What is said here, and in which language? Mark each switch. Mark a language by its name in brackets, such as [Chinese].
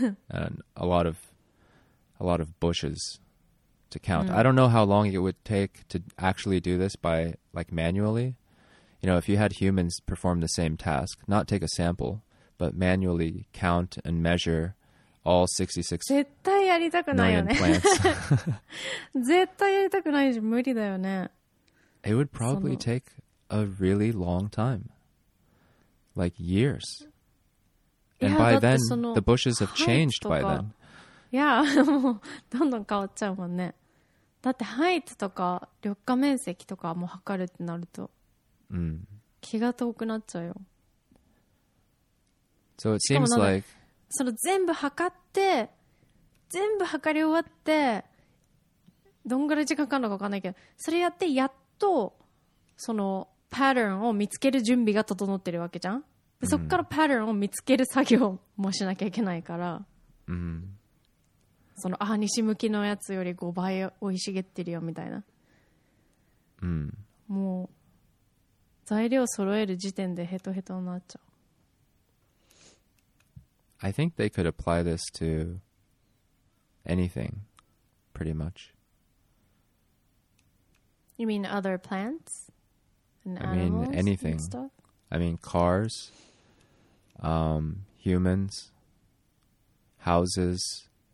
[English] and a lot of bushes to count. I don't know how long it would take to actually do this by, like, manually. You know, if you had humans perform the same task, not take a sample, but manually count and measure... All 66 [Japanese] 絶対やりたくないよね絶対やりたくないし無理だよね。 [English] It would probably take a really long time, like years. And by then, the bushes have changed by then. [Japanese] Yeah, もうどんどん変わっちゃうもんね。だってハイツとか緑化面積とかも測るってなると、気が遠くなっちゃうよ。 [English] So it seems like [Japanese] その全部測って全部測り終わってどんぐらい時間かかるのか分かんないけど、それやってやっとそのパターンを見つける準備が整ってるわけじゃん。でそっからパターンを見つける作業もしなきゃいけないから、うん、そのあ西向きのやつより5倍生い茂ってるよみたいな、うん、もう材料揃える時点でヘトヘトになっちゃう。 [English] I think they could apply this to anything, pretty much. You mean other plants? And animals? I mean anything. And stuff? I mean cars, humans, houses.